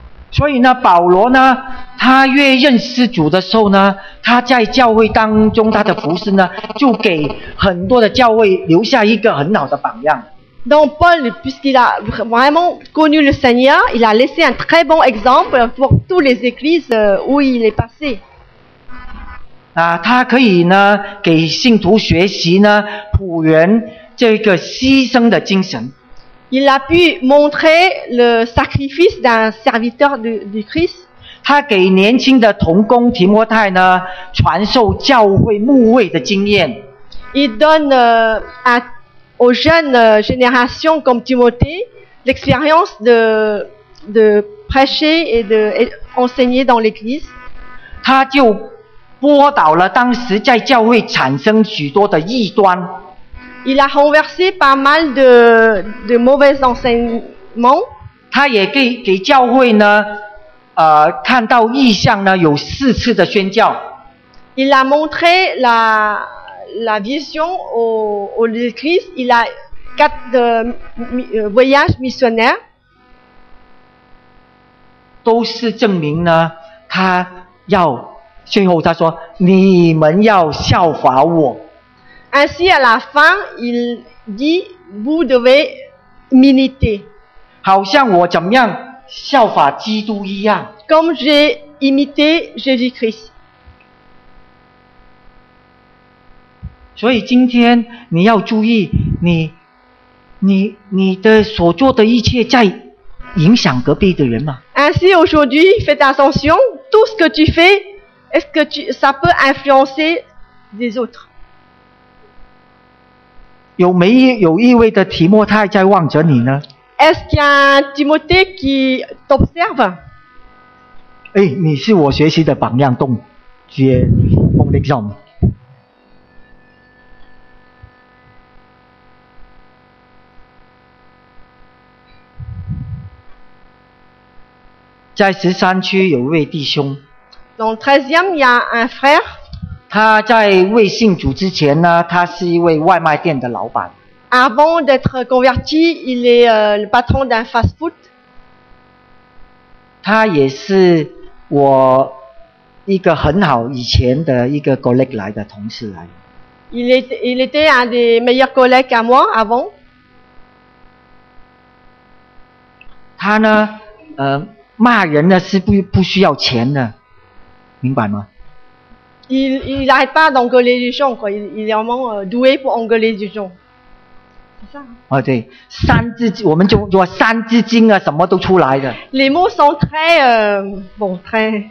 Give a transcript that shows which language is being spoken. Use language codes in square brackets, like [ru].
[zh] 所以呢，保罗呢，他越认识主的时候呢，他在教会当中他的服事呢，就给很多的教会留下一个很好的榜样。 [fr] Donc Paul, puisqu'il a vraiment connu le Seigneur, il a laissé un très bon exemple pour toutes les églises où il est passé. [zh] 啊，他可以呢给信徒学习呢仆人这个牺牲的精神。 [fr] Il a pu montrer le sacrifice d'un serviteur du Christ. [zh] 他给年轻的同工提摩太呢传授教会牧会的经验。 [fr] Il donne à aux jeunes générations comme Timothée, l'expérience de prêcher et d'enseigner dans l'église. [zh] 他就拨倒了当时在教会产生许多的异端。 [fr] Il a renversé pas mal de mauvais enseignements. [zh] 他也给教会呢，看到异象呢，有四次的宣教。 [fr] Il a montré la vision au Christ, il a 4 voyages missionnaires. [zh] 都是证明呢，他要最后他说，你们要效法我。 [fr] Ainsi à la fin, il dit, vous devez imiter. [zh] 好像我怎么样效法基督一样。 [fr] Comme j'ai imité Jésus-Christ. [zh] 所以今天你要注意，你的所做的一切在影响隔壁的人吗 [fr] ？Ainsi aujourd'hui, faites attention. Tout ce que tu fais, est-ce que ça peut influencer les autres？ [zh] 有没有一位的提摩太在望着你呢 [fr] ？Est-ce qu'il y a un Timothée qui t'observe？ [zh] 哎，你是我学习的榜样，动接梦的教母。在十三区有一位弟兄。 [fr] Dans le 13e, il y a un frère. [zh] 他在未信主之前呢，他是一位外卖店的老板。 [fr] Avant d'être converti, il est le patron d'un fast food. [zh] 他也是我一个很好以前的一个 collègue 来的同事来。 [fr] Il était un des meilleurs collègues à moi avant. [zh] 他呢，骂人呢是不需要钱的，明白吗 [fr] ？Il n'arrête pas d'engueuler les gens, quoi. Il est vraiment doué pour engueuler les gens. C'est ça. [zh] 哦，对，三字经，我们就说三字经啊，什么都出来的。 [fr] Les mots sont très bon, très.